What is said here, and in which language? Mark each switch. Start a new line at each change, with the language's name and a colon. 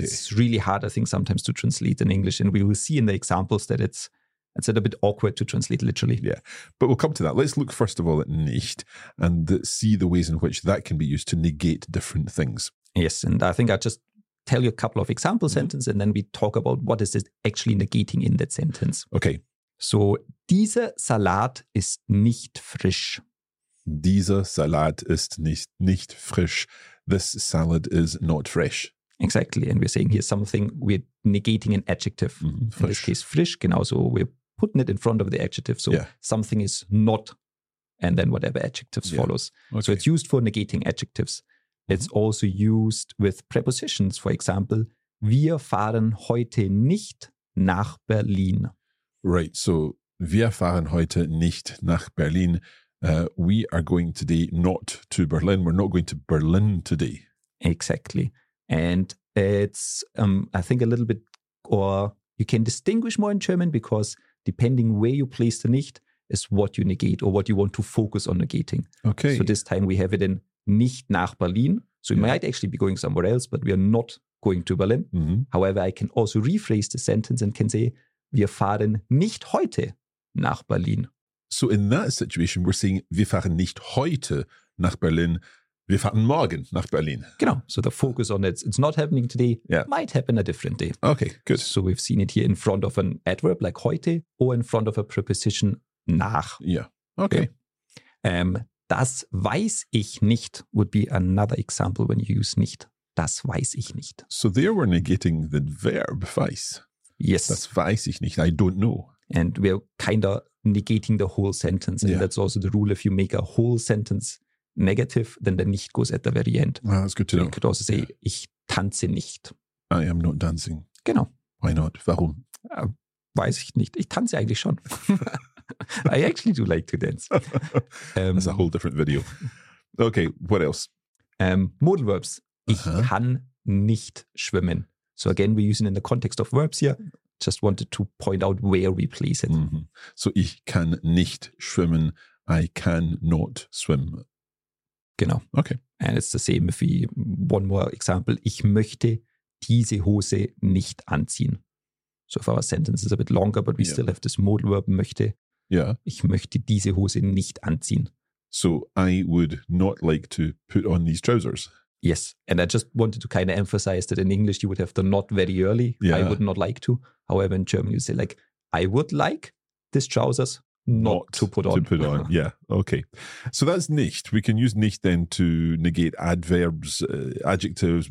English: That's really hard, I think, sometimes to translate in English. And we will see in the examples that it's a bit awkward to translate literally. Yeah. But we'll come to that. Let's look first of all at nicht and see the ways in which that can be used to negate different things. Yes. And I think I'll just tell you a couple of example sentences and then we talk about what is it actually negating in that sentence. Okay.
German: So, dieser Salat ist nicht frisch. Dieser Salat ist nicht frisch.
English: This salad is not fresh. Exactly. And we're saying here something, we're negating an adjective.
German: Frisch.
English: In this case, frisch.
German: Genauso,
English: we're putting it in front of the adjective. So, yeah. Something is not, and then whatever adjectives follows. Okay. So, it's used for negating adjectives. It's also used with prepositions. For example,
German: wir fahren heute nicht nach Berlin.
English: Right, so
German: wir fahren heute nicht nach Berlin.
English: We are going today not to Berlin. We're not going to Berlin today. Exactly. And it's, I think, a little bit, or you can distinguish more in German because depending where you place the nicht is what you negate or what you want to focus on negating. Okay. So this time we have it in nicht nach Berlin. So we might actually be going somewhere else, but we are not going to Berlin. Mm-hmm. However, I can also rephrase the sentence and can say,
German: wir fahren nicht heute nach Berlin.
English: So in that situation, we're saying,
German: wir fahren nicht heute nach Berlin, wir fahren morgen nach Berlin. Genau,
English: so the focus on it's not happening today, might happen a different day. Okay, good. So we've seen it here in front of an adverb like heute or in front of a preposition nach. Yeah, okay.
German: Das weiß ich nicht
English: would be another example when you use nicht.
German: Das weiß ich nicht.
English: So there we're negating the verb weiß. Yes.
German: Das weiß ich nicht.
English: I don't know. And we're kind of negating the whole sentence. And that's also the rule. If you make a whole sentence negative, then the nicht goes at the very end. Well, that's good to know. You could also say,
German: ich tanze nicht.
English: I am not dancing.
German: Genau.
English: Why not?
German: Warum? Weiß ich nicht. Ich tanze eigentlich schon.
English: I actually do like to dance. That's a whole different video. Okay, what else? Modal verbs.
German: Ich kann nicht schwimmen.
English: So again, we're using in the context of verbs here. Just wanted to point out where we place it. Mm-hmm.
German: So ich kann nicht schwimmen.
English: I cannot swim.
German: Genau.
English: Okay. And it's the same if we, one more example.
German: Ich möchte diese Hose nicht anziehen.
English: So if our sentence is a bit longer, but we still have this modal verb möchte. Yeah.
German: Ich möchte diese Hose nicht anziehen.
English: So I would not like to put on these trousers. Yes, and I just wanted to kind of emphasize that in English you would have the not very early. Yeah. I would not like to. However, in German you say like, I would like this trousers not to put on. To put on, yeah, okay. So that's nicht. We can use nicht then to negate adverbs, adjectives.